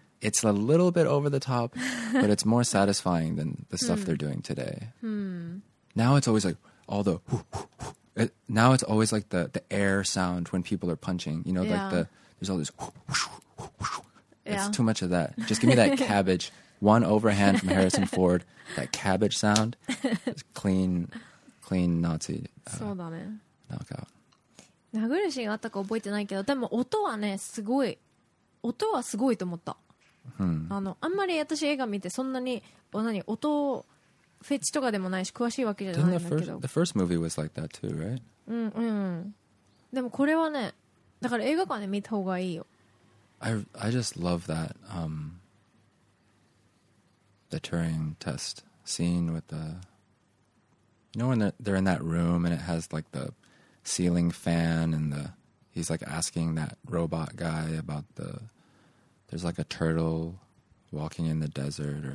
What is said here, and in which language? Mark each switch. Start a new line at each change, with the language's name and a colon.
English: it's a little bit over the top but it's more satisfying than the stuff they're doing today now it's always like all the now it's always like the air sound when people are punching you know yeah. like the there's all this yeah. it's too much of that just give me that cabbage One overhand from Harrison Ford, that cabbage sound, clean Nazi
Japanese: そうだね。
English: Knockout.
Japanese: 殴るシーンあったか覚えてないけど、でも音はね、すごい。音はすごいと思った。あんまり私映画見てそんなに、何、音フェチとかでもないし、詳しいわけじゃないんだけど。
English: The first movie was like that too, right?
Japanese: でもこれはね、だから映画館で見た方がいいよ。
English: I just love that, The Turing test scene with the, you know, when they're in that room and it has like the ceiling fan and the, he's like asking that robot guy about the, there's like a turtle walking in the desert.